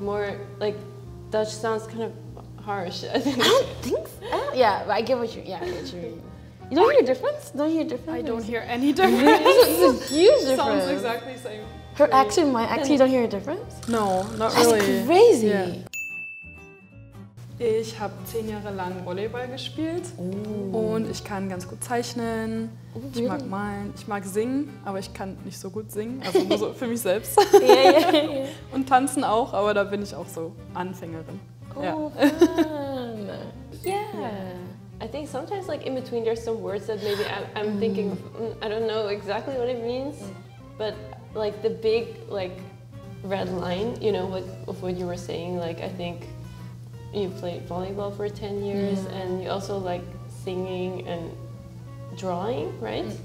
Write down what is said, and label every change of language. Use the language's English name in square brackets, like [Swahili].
[English] More like Dutch sounds kind of harsh, I think. I don't think so. Yeah, but I get what you mean. You don't hear a difference? Don't hear a difference? I don't hear any difference. It's a huge difference. Sounds exactly the same. Her accent, my accent, you don't hear a difference? No, not really. That's crazy. Yeah. [German] Ich habe 10 Jahre lang Volleyball gespielt und ich kann ganz gut zeichnen, ich mag malen, ich mag singen, aber ich kann nicht so gut singen, also nur so für mich selbst. Und tanzen auch, aber da bin ich auch so Anfängerin. Oh, ja. [English] Fun! Yeah! I think sometimes like in between there's some words that maybe I'm thinking, I don't know exactly what it means, but like the big like red line, you know, what of what you were saying, like I think you played volleyball for 10 years and you also like singing and drawing, right?